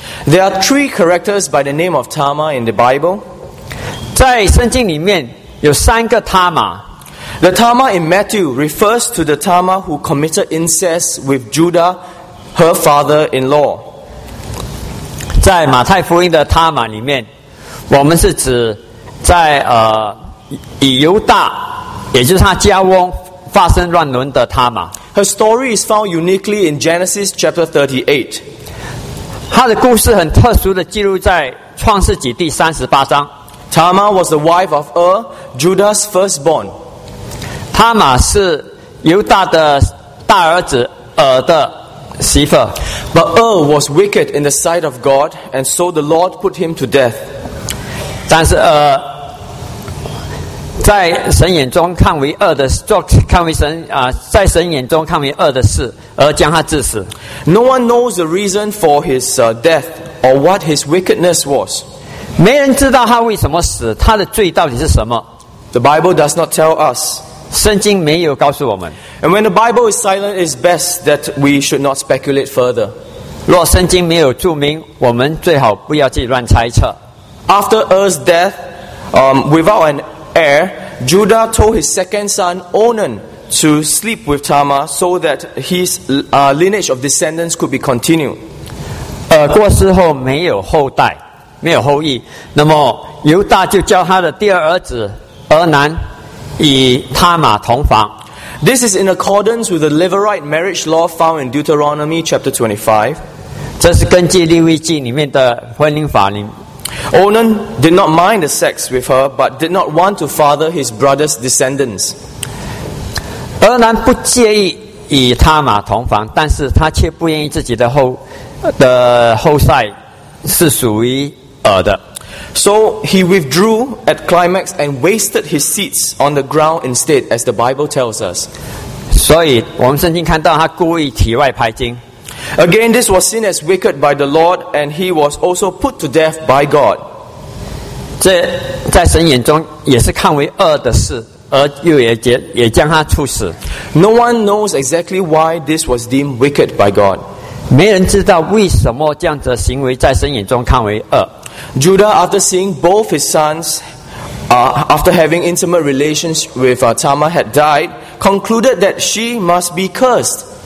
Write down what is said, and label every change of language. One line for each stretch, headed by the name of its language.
English: There are three characters by the name of Tamar in the Bible.
Chinese: 在圣经里面有三个 Tamar.
English: The Tamar in Matthew refers to the Tamar who committed incest with Judah. Her father-in-law.
Chinese: 在马太福音的他玛里面，我们是指在以犹大，也就是他家翁发生乱伦的他玛。
English: Her story is found uniquely in Genesis chapter 38.
Chinese: 她的故事很特殊的记录在创世纪第三十八章。
English: Tamar was the wife of Judah's firstborn.
Chinese: 他玛是犹大的大儿子的。媳妇
English: But Ur was wicked in the sight of God, and so the Lord put him to death.
Chinese: 但是在神眼中看为恶的做看为神在神眼中看为恶的事，而将他致死。
English: No one knows the reason for his death or what his wickedness was.
Chinese: 没人知道他为什么死，他的罪到底是什么。
English: The Bible does not tell us.
Chinese: 圣经没有告诉我们。
English: And when the Bible is silent, it's best that we should not speculate further.
Chinese: 若圣经没有注明，我们最好不要去乱猜测。
English: After Ur's death, without an heir, Judah told his second son Onan to sleep with Tamar so that his lineage of descendants could be continued.
Chinese: 过世后没有后代，没有后裔，那么犹大就叫他的第二儿子俄南。与他玛同房。
English: This is in accordance with the Levirate marriage law found in Deuteronomy chapter 25.
Chinese: 这是根据利未记里面的婚姻法令。
English: Onan did not mind the sex with her, but did not want to father his brother's descendants.
Chinese: 俄南不介意与他玛同房，但是他却不愿意自己的后代是属于俄的。
English: So he withdrew at climax and wasted his seeds on the ground instead, as the Bible tells us.
Chinese: 所以我们圣经看到他故意体外排精。
English: Again, this was seen as wicked by the Lord, and he was also put to death by God.
Chinese: 这在神眼中也是看为恶的事，而又也将他处死。
English: No one knows exactly why this was deemed wicked by God.
Chinese: 没人知道为什么这样子的行为在神眼中看为恶。
English: Judah, after seeing both his sons, after having intimate relations with Tamar, had died, concluded that she must be cursed.